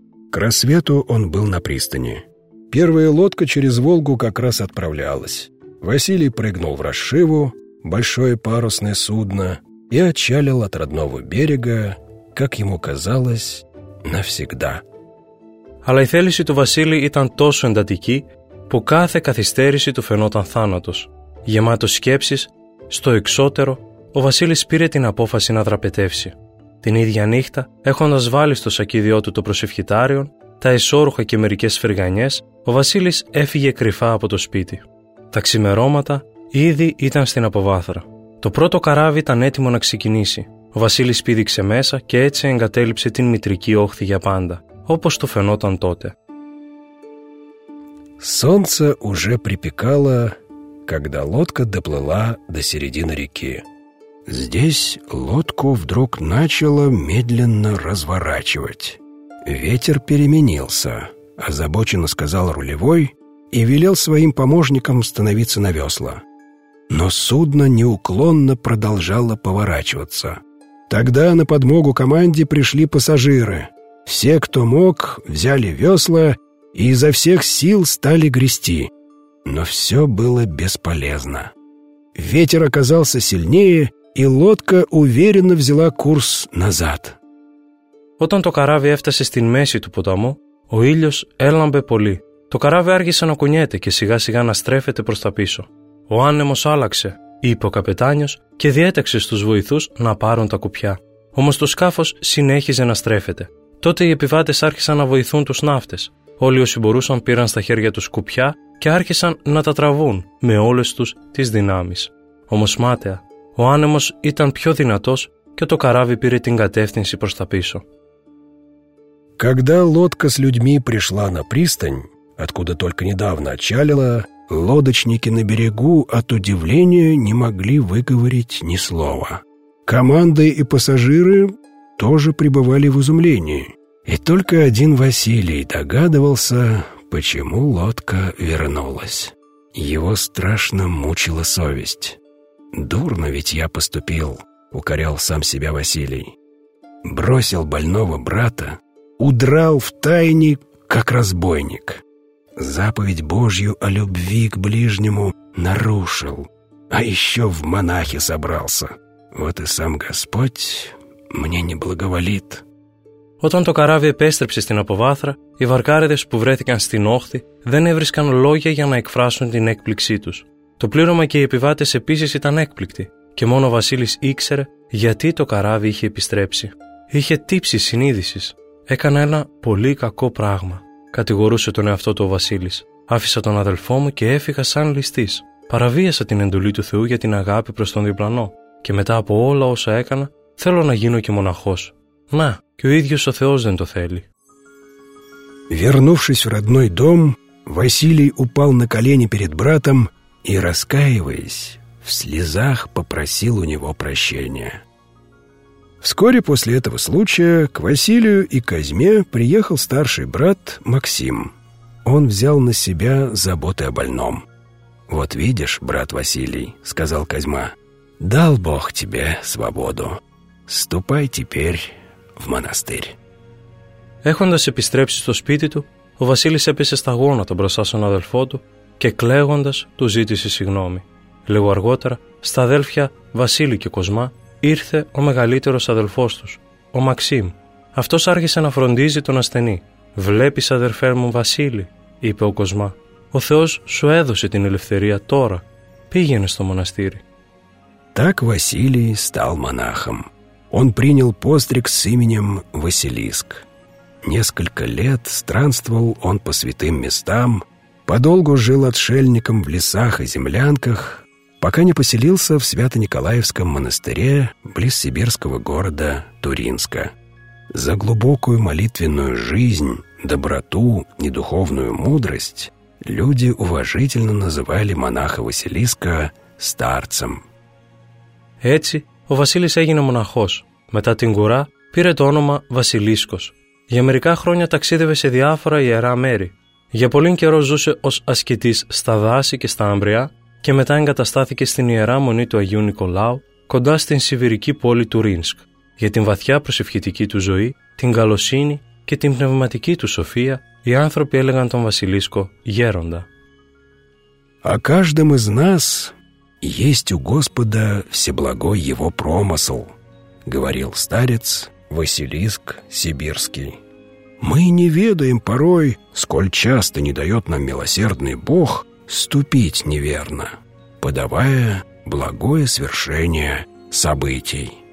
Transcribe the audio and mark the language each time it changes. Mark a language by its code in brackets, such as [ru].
[ru] К рассвету он был на пристани. Первая лодка через Волгу как раз отправлялась. Василий прыгнул в расшиву, большое парусное судно, и отчалил от родного берега, как ему казалось, навсегда. [el] Αλλά η θέληση του Βασίλη ήταν τόσο εντατική που κάθε καθυστέρηση του φαινόταν θάνατος. Γεμάτος σκέψεις, στο εξώτερο, ο Βασίλης πήρε την απόφαση να δραπετεύσει. Την ίδια νύχτα, έχοντας βάλει στο σακίδιό του το προσευχητάριον, τα εσώρουχα και μερικές φρυγανιές, ο Βασίλης έφυγε κρυφά από το σπίτι. Τα ξημερώματα ήδη ήταν στην αποβάθρα. Το πρώτο καράβι ήταν έτοιμο να ξεκινήσει. Ο Βασίλης πήδηξε μέσα και έτσι εγκατέλειψε την μητρική όχθη για πάντα, όπως το φαινόταν τότε. [ru] Солнце уже припекало, когда лодка доплыла до середины реки. Здесь лодку вдруг начало медленно разворачивать. Ветер переменился, озабоченно сказал рулевой и велел своим помощникам становиться на весла. Но судно неуклонно продолжало поворачиваться. Тогда на подмогу команде пришли пассажиры. Все, кто мог, взяли весла и изо всех сил стали грести. Но все было бесполезно. Ветер оказался сильнее, и лодка уверенно взяла курс назад. [el] Όταν το καράβι έφτασε στην μέση του ποταμού, ο ήλιος έλαμπε πολύ. Το καράβι άρχισε να κουνιέται και σιγά σιγά να στρέφεται προς τα πίσω. «Ο άνεμος άλλαξε», είπε ο καπετάνιος και διέταξε στους βοηθούς να πάρουν τα κουπιά. Όμως το σκάφος συνέχιζε να στρέφεται. Τότε οι επιβάτες άρχισαν να βοηθούν τους ναύτες. Όλοι όσοι μπορούσαν πήραν στα χέρια τους κουπιά και άρχισαν να τα τραβούν με όλες τους τις δυνάμεις. Όμως μάταια, ο άνεμος ήταν πιο δυνατός και το καράβι πήρε την κατεύθυνση προς τα πίσω. [ru] Когда лодка с людьми пришла на пристань, откуда только недавно отчалила, лодочники на берегу от удивления не могли выговорить ни слова. Команды и пассажиры тоже пребывали в изумлении. И только один Василий догадывался, почему лодка вернулась. Его страшно мучила совесть. «Дурно ведь я поступил», — укорял сам себя Василий. «Бросил больного брата, удрал втайне, как разбойник. Заповедь Божью о любви к ближнему нарушил, а еще в монахи собрался. Вот и сам Господь мне не благоволит». [el] Όταν το καράβι επέστρεψε στην αποβάθρα, οι βαρκάριδες που βρέθηκαν στην όχθη δεν έβρισκαν λόγια για να εκφράσουν την έκπληξή τους. Το πλήρωμα και οι επιβάτες επίσης ήταν έκπληκτοι και μόνο ο Βασίλης ήξερε γιατί το καράβι είχε επιστρέψει. Είχε τύψει συνείδησης. Έκανα ένα πολύ κακό πράγμα, κατηγορούσε τον εαυτό του ο Βασίλης. Άφησα τον αδελφό μου και έφυγα σαν ληστής. Παραβίασα την εντολή του Θεού για την αγάπη προς τον διπλανό. Και μετά από όλα όσα έκανα, θέλω να γίνω και μοναχός. Να, και ο ίδιος ο Θεός δεν το θέλει. [ru] Вернувшись в родной дом, Василий упал на колени перед братом и, раскаиваясь, в слезах попросил у него прощения. Вскоре после этого случая к Василию и Козьме приехал старший брат Максим. Он взял на себя заботы о больном. «Вот видишь, брат Василий, — сказал Козьма, — дал Бог тебе свободу. Ступай теперь в монастырь». [el] Έχοντας επιστρέψει στο σπίτι του, ο Βασίλης έπεσε στα γόνατα μπροστά στον αδελφό του και κλαίγοντας του ζήτησε συγγνώμη. Λίγο αργότερα, στα αδέλφια Βασίλη και Κοσμά ήρθε ο μεγαλύτερος αδελφός τους, ο Μαξίμ. Αυτός άρχισε να φροντίζει τον ασθενή. «Βλέπεις, αδερφέ μου Βασίλη», είπε ο Κοσμά. «Ο Θεός σου έδωσε την ελευθερία τώρα. Πήγαινε στο μοναστήρι». [ru] Так Василий стал монахом. Он принял постриг с именем Василиск. Несколько лет странствовал он по святым местам, подолгу жил отшельником в лесах и землянках, пока не поселился в Свято-Николаевском монастыре близ сибирского города Туринска. За глубокую молитвенную жизнь, доброту и духовную мудрость люди уважительно называли монаха Василиска старцем. [el] Έτσι, ο Βασίλης έγινε μοναχός. Μετά την κουρά, πήρε το όνομα Βασιλίσκος. Για μερικά χρόνια ταξίδευε σε διάφορα ιερά μέρη. Για πολύ καιρό ζούσε ως ασκητής στα δάση και στα άμπρια, και μετά εγκαταστάθηκε στην Ιερά Μονή του Αγίου Νικολάου, κοντά στην σιβηρική πόλη του Ρίνσκ, για την βαθιά προσευχητική του ζωή, την καλοσύνη και την πνευματική του σοφία, οι άνθρωποι έλεγαν τον Βασιλίσκο «γέροντα». [ru] «О каждом из нас есть у Господа всеблагой его промысел», говорил старец Василиск Сибирский. «Мы не ведаем порой, сколь часто не дает нам милосердный Бог ступить неверно, подавая благое свершение событий».